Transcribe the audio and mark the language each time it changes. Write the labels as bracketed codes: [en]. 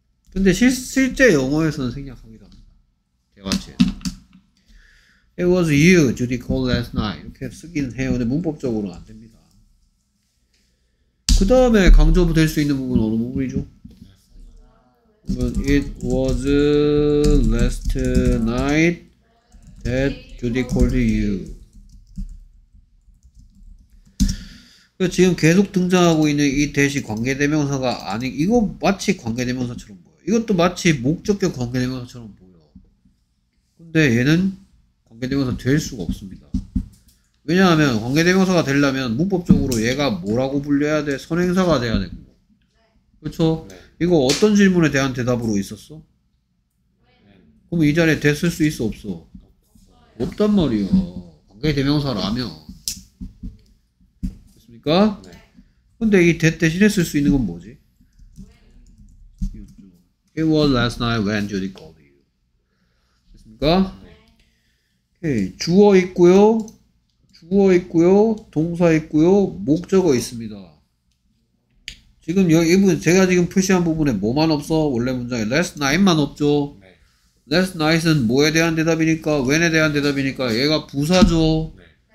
[ko] 근데 실제 영어에서는 생략하기도 합니다. 대화체에서. [en] It was you, Judy called last night. [ko] 이렇게 쓰긴 해요. 근데 문법적으로는 안 됩니다. 그 다음에 강조될 수 있는 부분은 어느 부분이죠? [en] It was last night that Judy called you. [ko] 그러니까 지금 계속 등장하고 있는 이 대시 관계대명사가 아닌 이거 마치 관계대명사처럼 보여. 이것도 마치 목적격 관계대명사처럼 보여. 근데 얘는 관계대명사 될 수가 없습니다. 왜냐하면 관계대명사가 되려면 문법적으로 얘가 뭐라고 불려야 돼? 선행사가 돼야 되고. 그렇죠? 네. 이거 어떤 질문에 대한 대답으로 있었어? 그럼 이 자리에 됐을 수 있어? 없어? 없단 말이야. 관계대명사라면. 됐습니까? 근데 이 that 대신에 쓸 수 있는 건 뭐지? [en] It was last night when Judy called you. [ko] 됐습니까? 오케이. 주어 있고요. 주어 있고요, 동사 있고요, 목적어 있습니다. 지금 여기 이분 제가 지금 표시한 부분에 뭐만 없어? 원래 문장에 last night만 없죠. 네. last night은 뭐에 대한 대답이니까, when에 대한 대답이니까 얘가 부사죠. 네.